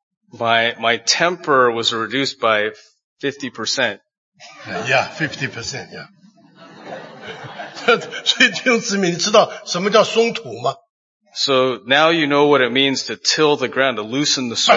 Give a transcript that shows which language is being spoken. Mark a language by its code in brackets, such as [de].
[en] my temper was reduced by 50%. Yeah, 50%, yeah. [zh] 所以弟兄姊妹,你知道什么叫松土吗? [en] So now you know what it means to till the ground, to loosen the soil.